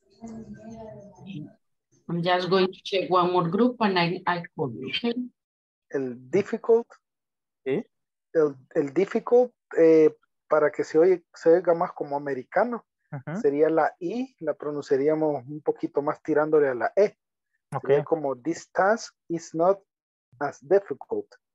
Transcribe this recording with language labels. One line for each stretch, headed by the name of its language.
English: Nice. Okay. I'm just going to check one more group and I call you, okay?
Spanish: El difficult, para que se oiga más como americano, uh-huh. Sería la I, la pronunciaríamos un poquito más tirándole a la E.
English: Okay.
Spanish: Sería como,
English: this task is not as difficult.